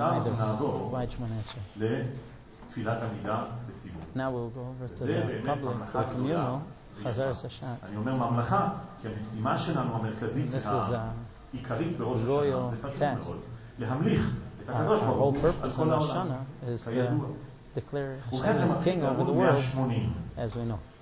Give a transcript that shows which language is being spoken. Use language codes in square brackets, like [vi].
[he] עכשיו נעבור לתפילת עמידה בציבור. [en] Now we'll go over to the public, the communal, [he] חזר סשת. אני אומר ממלכה, כי המשימה שלנו המרכזית העיקרית בראש השנה, זה פשוט מאוד. להמליך. [en] Our whole purpose in Rosh Hashanah is to declare Hashem as king over the world, as we know.